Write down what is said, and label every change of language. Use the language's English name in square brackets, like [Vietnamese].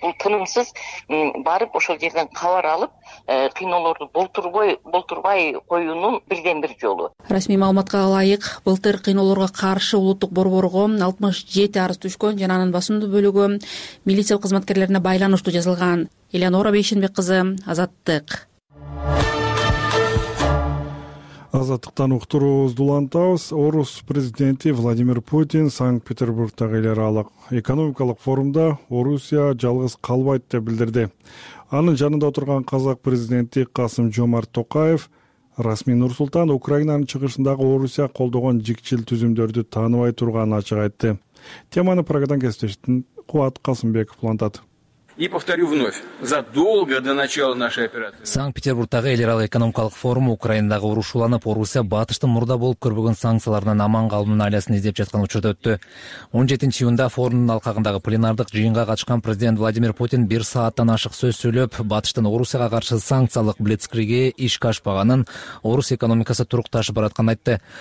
[Kyrgyz] Бул тынымсыз барып ошол жерден кабар алып кыйноолорду болтурбай коюунун бирден бир жолу. Расмий маалыматка ылайык, былтыр кыйноолорго каршы улуттук борборго 67 арыз түшкөн жана анын басымдуу бөлүгү милиция кызматкерлерине байланыштуу жазылган. Элеонора Бейшенбек кызы, Азаттык. Азаттыктан уктуруубузду улантабыз. Орус президенти Владимир Путин Санкт-Петербургдагы эл аралык экономикалык форумда Орусия жалгыз калбайт деп билдирди. Анын жанында отурган казак президенти Касым Жомарт Токаев расмий Нурсултан Украинанын чыгышындагы Орусия колдогон жикчил түзүмдөрдү тааныбай турганын ачык айтты. Теманы программадан кесиптештин Кубат Касымбеков улантат. [Russian] И повторю вновь, задолго до начала нашей операции. [Kyrgyz] Санкт-Петербургтагы эл аралык экономикалык форум Украинадагы урушуланып, Орусия батыштын мурда болуп көрбөгөн санкцияларынан аман калуунун айласын издеп жаткан учурда өттү. 17 июнда форумдун алкагындагы пленардык жыйынга катышкан президент Владимир Путин 1 сааттан ашык сөз сүйлөп, батыштын Орусияга каршы санкциялык блицкриги ишке ашпаганын, орус экономикасы турукташып баратканын айтты.